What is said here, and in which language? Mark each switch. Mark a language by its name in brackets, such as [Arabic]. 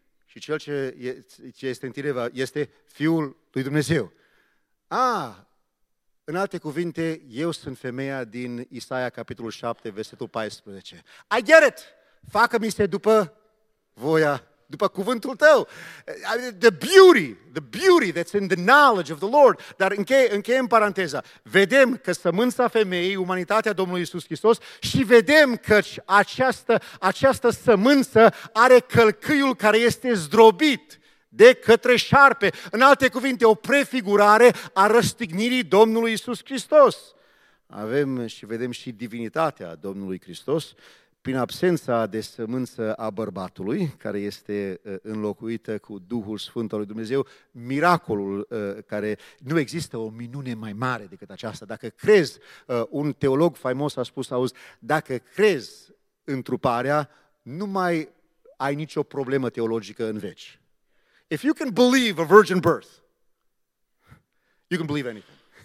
[Romanian] Și cel ce este în tine este Fiul lui Dumnezeu. În alte cuvinte, eu sunt femeia din Isaia, capitolul 7, versetul 14. [English] I get it! [Romanian] Facă-mi se după voia, după cuvântul tău. [English] The beauty that's in the knowledge of the Lord. [Romanian] Dar încheiem în paranteza. Vedem că sămânța femeii, umanitatea Domnului Iisus Hristos, și vedem că această sămânță are călcâiul care este zdrobit de către șarpe. În alte cuvinte, o prefigurare a răstignirii Domnului Iisus Hristos. Avem și vedem și divinitatea Domnului Hristos prin absența de sămânță a bărbatului, care este înlocuită cu Duhul Sfânt al lui Dumnezeu, miracolul care nu există o minune mai mare decât aceasta. Dacă crezi, un teolog faimos a spus, auzi, dacă crezi întruparea, nu mai ai nicio problemă teologică în veci. [English] If you can believe a virgin birth, you can believe anything.